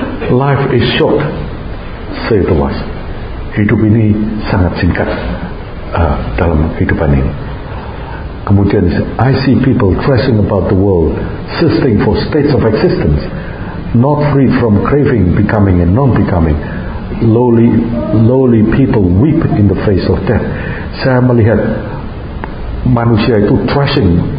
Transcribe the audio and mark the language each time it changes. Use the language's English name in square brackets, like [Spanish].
[English] Life is short, say the wise. [Indonesian] Hidup ini sangat singkat dalam kehidupan ini. [English] Kemudian, I see people thrashing about the world, searching for states of existence, not free from craving, becoming and non-becoming. Lowly people weep in the face of death. [Indonesian] Saya melihat manusia itu thrashing.